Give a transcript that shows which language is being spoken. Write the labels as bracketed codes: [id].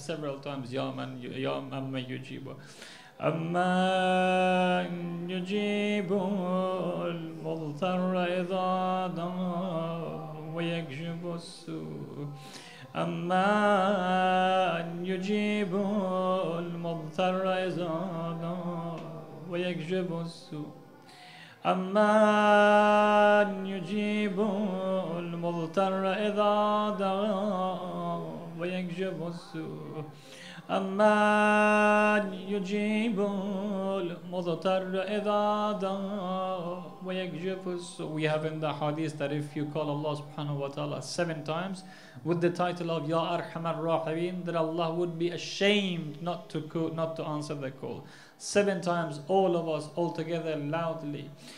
[en] Several times [ar] يوم يجيب. أمن يجيب المضطر إذا دعا ويكشف السوء. أمن يجيب المضطر إذا دعا ويكشف السوء. أمن يجيب المضطر إذا دعا ويكشف السوء. أمن يجيب المضطر إذا دعا ويكشف السوء. [en] We have in the hadith that if you call Allah subhanahu wa ta'ala 7 times with the title of Ya Arham al-Rahim, that Allah would be ashamed not to answer the call. 7 times, all of us, all together, loudly.